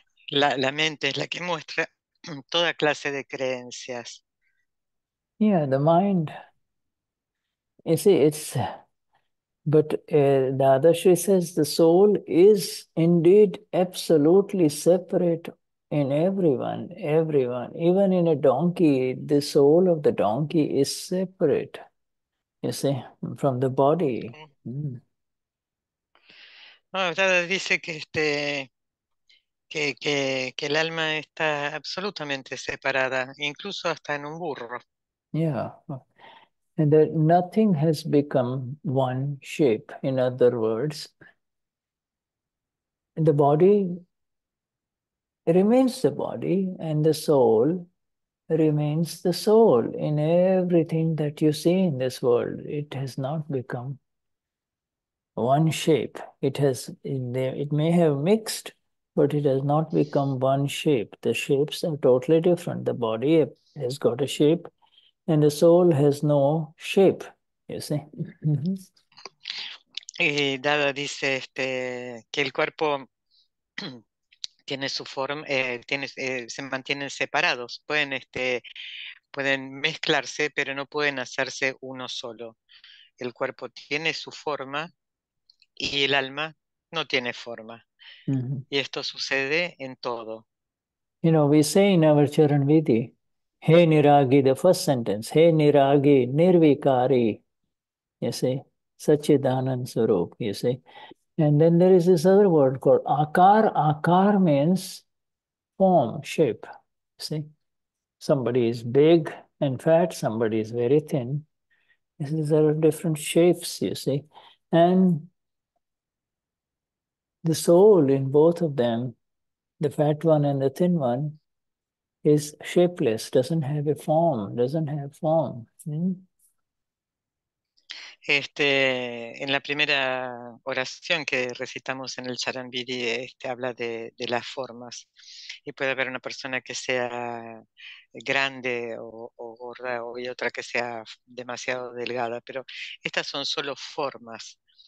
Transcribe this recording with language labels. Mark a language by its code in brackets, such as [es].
[es] La mente es la que muestra toda clase de creencias. [en] Yeah, the mind. You see, it's. But Dadashri says the soul is indeed absolutely separate in everyone, everyone. Even in a donkey, the soul of the donkey is separate. You see, from the body. Mm. [es] No, Dada dice que que el alma está absolutamente separada, incluso hasta en un burro. [en] Yeah, and that nothing has become one shape. In other words, the body remains the body, and the soul remains the soul in everything that you see in this world. It has not become one shape. It has, it may have mixed, but it has not become one shape. The shapes are totally different. The body has got a shape, and the soul has no shape, you see. [es] Mm-hmm. Y Dada dice que el cuerpo tiene su forma, se mantienen separados, pueden mezclarse, pero no pueden hacerse uno solo. El cuerpo tiene su forma y el alma no tiene forma. Mm-hmm. Y esto sucede en todo. [en] You know, we say in our Charanvidhi, He Niragi, the first sentence, He Niragi, Nirvikari, you see, Sachidanand Swarup, you see. And then there is this other word called akar. Akar means form, shape. See, somebody is big and fat, somebody is very thin. These are different shapes, you see. And the soul in both of them, the fat one and the thin one, is shapeless, doesn't have a form, doesn't have form. Hmm? [es] En la primera oración que recitamos en el Charanvidhi, habla de las formas. Y puede haber una persona que sea grande o gorda, o y otra que sea demasiado delgada, pero estas son solo formas.